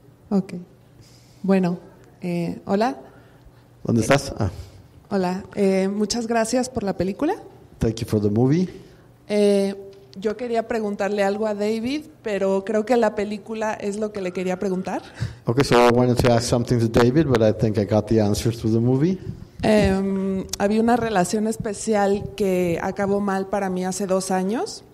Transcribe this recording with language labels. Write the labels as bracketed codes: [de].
[es] Okay. Bueno, hola. ¿Dónde estás? Hola. Muchas gracias por la película. [en] Thank you for the movie. [es] Yo quería preguntarle algo a David, pero creo que la película es lo que le quería preguntar. [en] Okay, so I wanted to ask something to David, but I think I got the answers to the movie. [es] Había una relación especial que acabó mal para mí hace 2 años.